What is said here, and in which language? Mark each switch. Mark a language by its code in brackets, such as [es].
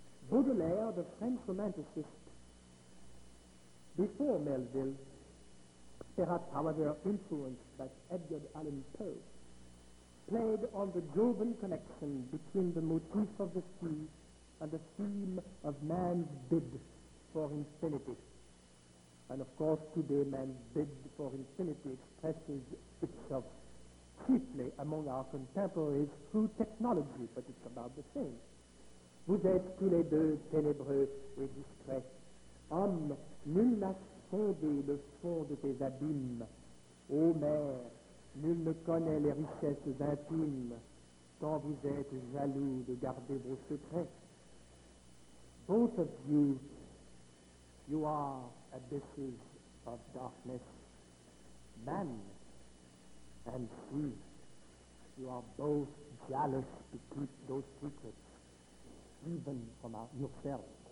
[en] Baudelaire, the French romanticist, before Melville, perhaps however influenced by Edgar Allan Poe, played on the Joban connection between the motif of the sea and the theme of man's bid for infinity. And of course, today man's bid for infinity expresses itself chiefly among our contemporaries through technology, but it's about the same. [fr] Vous êtes tous les deux ténébreux et discrets. Homme, nul n'a sondé le fond de tes abîmes. Ô mer, nul ne connaît les richesses intimes, tant vous êtes jaloux de garder vos secrets. [en] Both of you, you are abysses of darkness. Man and sea, you are both jealous to keep those secrets, even from yourself.